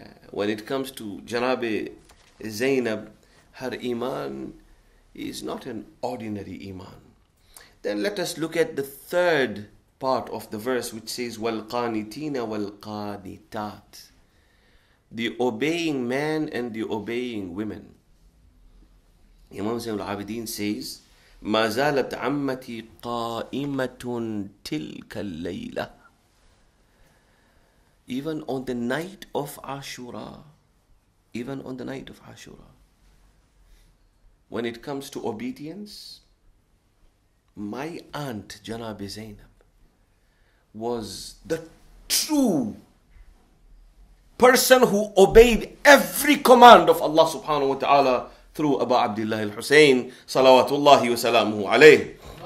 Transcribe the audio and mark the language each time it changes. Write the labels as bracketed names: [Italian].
[English] When it comes to Janabi Zainab, her Iman is not an ordinary Iman. Then let us look at the third part of the verse, which says, [Arabic] وَالْقَانِتِينَ وَالْقَانِتَاتِ, [English] the obeying man and the obeying women. Imam Zainul Abidin says, [Arabic] مَا زَالَتْ عَمَّتِي قَائِمَةٌ تِلْكَ اللَّيْلَةِ. [English] Even on the night of Ashura, even on the night of Ashura, when it comes to obedience, my aunt Janabi Zainab was the true person who obeyed every command of Allah subhanahu wa ta'ala through Abu Abdullah al-Husayn salawatullahi wa salamuhu alayhi.